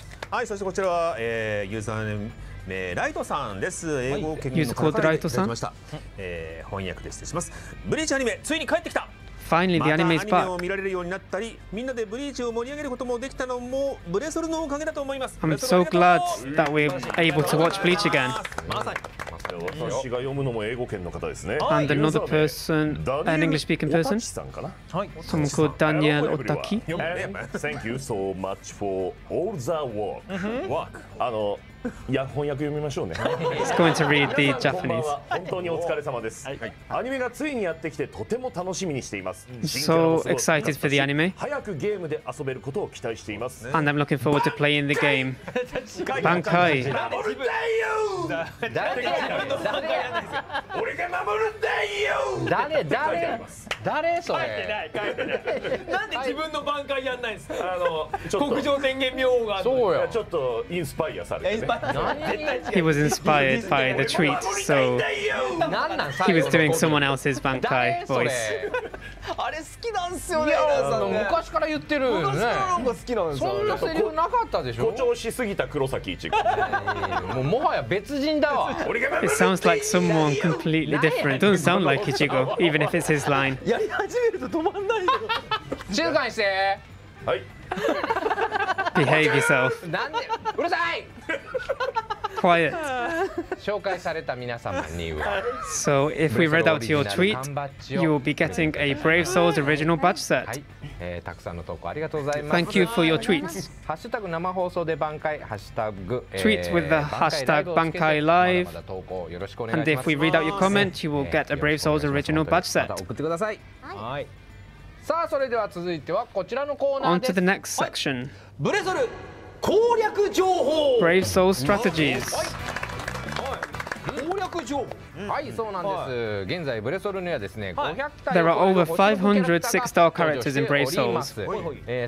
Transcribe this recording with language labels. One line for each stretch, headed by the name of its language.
Japanese: はい、そしてこちらは、ユーザーネームライトさんです。英語研究の方からいただきました。翻訳で失礼します。ブリーチアニメついに帰ってきた。
English: Finally, the anime is back.
Japanese: またアニメを見られるようになったり、みんなでブリーチを盛り上げることもできたのもブレソルのおかげだと思います。
English: I'm so glad that we're able to watch Bleach again.
Japanese: まさに。私が読むのも英語圏の方ですね。
English: And another person, an English-speaking person, someone called Daniel Otaki. Thank you so much for all the work. Work.
Japanese: いや翻訳読みましょうね。
English: It's going to read the Japanese.
Japanese: 本当にお疲れ様です。アニメがついにやってきてとても楽しみにしています。
English: So excited for the anime.
Japanese: 早くゲームで遊べることを期待しています。
English: And I'm looking forward to playing the game.
Japanese: Bankai. 守るんだよ。誰が守るんだよ。誰それ。なんで自分の Bankai やんないんですか。国上天元明王が。そうよ。ちょっとインスパイアされて。
English: He was inspired by the tweet, so he was doing someone else's Bankai voice.
Japanese: あれ好きなんすよね、皆さんね。昔から言ってるね。昔からのが好きなんですよ。そんなセリフなかったでしょ。誇張しすぎた黒崎一郎。もうもはや別人だわ。
English: It sounds like someone completely different. Doesn't sound like Ichigo, even if it's his line.
Japanese: やり始めると止まんないよ。静かにして。はい。
English: Behave yourself.
Japanese: なんで、うるさい。
English: Quiet.
Japanese: 紹介された皆様には。
English: So if we read out your tweet, you will be getting a Brave Souls original badge set.
Japanese: はい、たくさんの投稿ありがとうございます。
English: Thank you for your tweets.
Japanese: ハッシュタグ生放送で挽回、ハッシュタグ。
English: Tweet with the hashtag 挽回 live.
Japanese: まだまだ投稿よろしくお願いします。
English: And if we read out your comment, you will get a Brave Souls original badge set.
Japanese: また送ってください。はい。さあそれでは続いてはこちらのコーナーです。
English: On to the next section.
Japanese: ブレソル攻略情報。
English: Brave Soul Strategies。
Japanese: 攻略情報。はい、そうなんです。現在ブレソルにはですね、500体。
English: There are over 500 six-star characters in Brave Souls.